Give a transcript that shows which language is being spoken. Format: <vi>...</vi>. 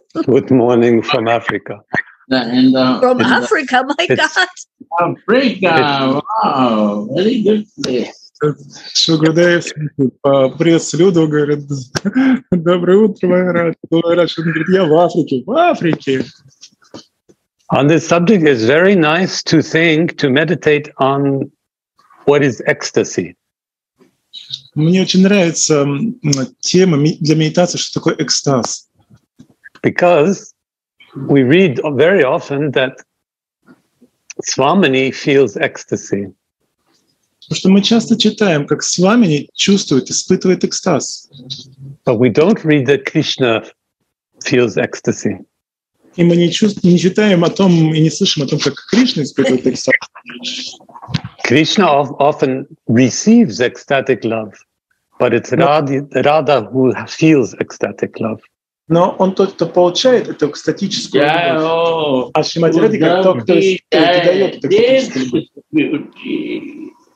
<en>Good morning from Africa. From Africa, my God. Africa, wow, very good place.</en> <ru>Шугурдев, приветствую, говорит, доброе утро, Махарадж. Он говорит, я в Африке, в Африке.</ru> <en>On this subject, it's very nice to think, to meditate on what is ecstasy.</en> <ru>Мне очень нравится тема для медитации, что такое экстаз.</ru> <en>Because we read very often that Swamini feels ecstasy.</en> <ru>Потому что мы часто читаем, как Свамини чувствует, испытывает экстаз.</ru> <en>But we don't read that Krishna feels ecstasy.</en> <ru>И мы не читаем о том и не слышим о том, как Кришна испытывает экстаз.</ru> <en>Krishna often receives ecstatic love, but it's Radha who feels ecstatic love.</en> <ru>Но он тот, кто получает эту экстатическую любовь. А Шримати Радхика как тот, кто дает эту экстатическую любовь.</ru>